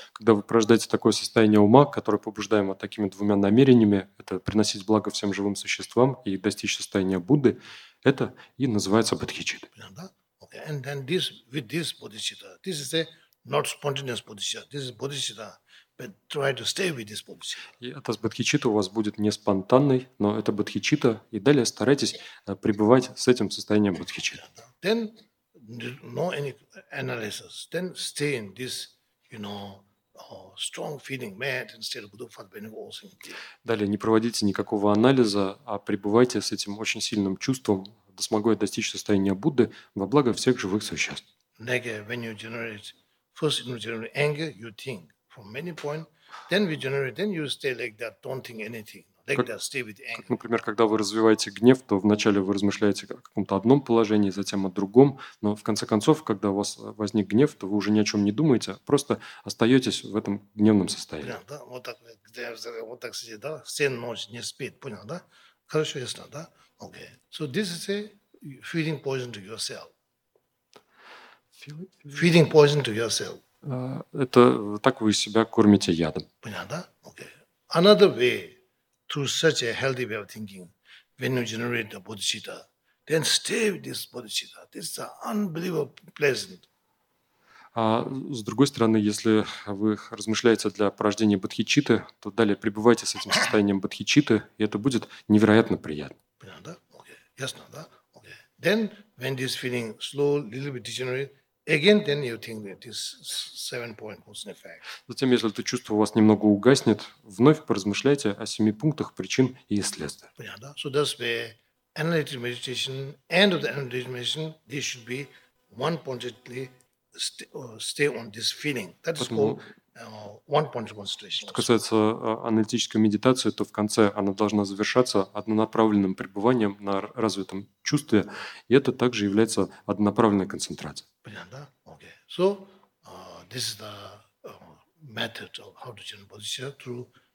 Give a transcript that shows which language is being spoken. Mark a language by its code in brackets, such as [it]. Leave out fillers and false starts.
[ru] Когда вы порождаете такое состояние ума, которое побуждаемо такими двумя намерениями, это приносить благо всем живым существам и достичь состояния Будды, это и называется бодхичитта. [en] Okay. And then this, with this bodhicitta, this is a not spontaneous bodhicitta, this is bodhicitta, but try to stay with this bodhicitta. [ru] И эта бодхичитта у вас будет не спонтанной, но это бодхичитта, и далее старайтесь пребывать с этим состоянием бодхичитты. [en] Then, no any analysis. Then stay in this, you know, strong feeling, may I attain state of Buddhahood for the benefit of all sentient beings. [ru] Далее не проводите никакого анализа, а пребывайте с этим очень сильным чувством, да смогу я достичь состояния Будды во благо всех живых существ. [en] Like, when you generate, first you generate anger, you think. From many point, then we generate, then you stay like that, don't think anything, like that, stay with anger. [ru] Например, когда вы развиваете гнев, то вначале вы размышляете о каком-то одном положении, затем о другом, но в конце концов, когда у вас возник гнев, то вы уже ни о чем не думаете, просто остаетесь в этом гневном состоянии. Понял, да? Вот так сидит, да? Всю ночь не спит, понял, да? Хорошо, ясно, да? Okay. [en] So this is a feeding poison to yourself. Feeding poison to yourself. [ru] Это так вы себя кормите ядом. Понятно, да? Okay. [en] Another way, through such a healthy way of thinking, when you generate the bodhicitta, then stay with this bodhicitta. This is unbelievable pleasant. [ru] А с другой стороны, если вы размышляете для порождения бодхичитты, то далее пребывайте с этим состоянием бодхичитты, и это будет невероятно приятно. Понятно, да? Okay. Ясно, да? Okay. [en] Then, when this feeling slow, little bit degenerate, again, then you think that this seven-point cause effect. [ru] Затем, если это чувство у вас немного угаснет, вновь поразмышляйте о семи пунктах причин и следствий. Понятно. [en] So that's the analytic meditation. End of the analytic meditation, this should be one-pointedly stay on this feeling. That is called one-pointed concentration. [ru] Что касается аналитической медитации, то в конце она должна завершаться однонаправленным пребыванием на развитом чувстве, и это также является однонаправленной концентрацией. Понятно, да? Okay. [en] So, this is the method of how to generate bodhicitta through